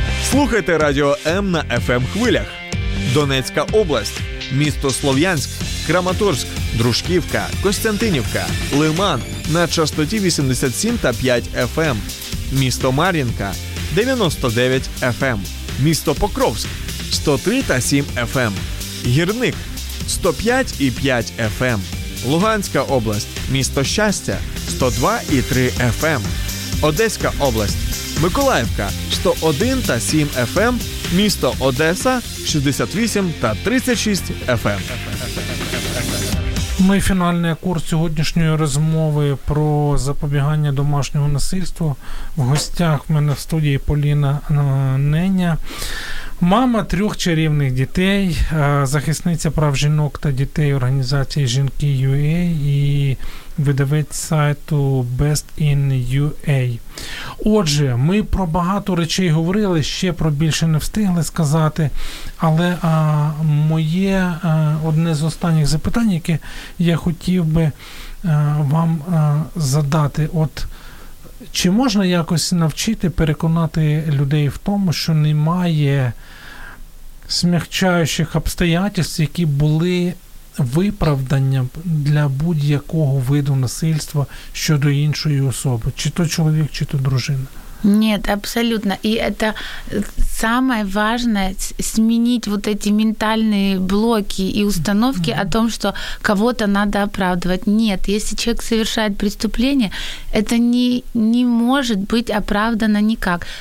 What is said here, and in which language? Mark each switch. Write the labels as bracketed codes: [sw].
[uk] Слухайте Радіо М на FM-хвилях. Донецька область, місто Слов'янськ, Краматорськ, Дружківка, Костянтинівка, Лиман на частоті 87,5 FM. Місто Мар'їнка 99 FM. Місто Покровськ 103,7 FM. Гірник 105,5 FM. Луганська область, місто Щастя, 102,3 FM. Одеська область, Миколаївка, 101,7 FM. Місто Одеса, 68,36 FM. Ми фінальний акорд сьогоднішньої розмови про запобігання домашнього насильства. В гостях в мене в студії Поліна Неня. Мама трьох чарівних дітей, захисниця прав жінок та дітей організації «Жінки.UA» і видавець сайту «Best in UA». Отже, ми про багато речей говорили, ще про більше не встигли сказати, але моє одне з останніх запитань, яке я хотів би вам задати, от чи можна якось навчити, переконати людей в тому, що немає [ru] смягчаючих обстоятельств, [uk] які були виправданням для будь-якого виду насильства щодо іншої особи, чи то чоловік, чи то дружина. Ні, абсолютно. І це [ru] самое важное [uk] змінити [ru] вот эти ментальные блоки и установки о том, что кого-то надо оправдывать. Нет, если человек совершает преступление, это не может быть оправдано никак.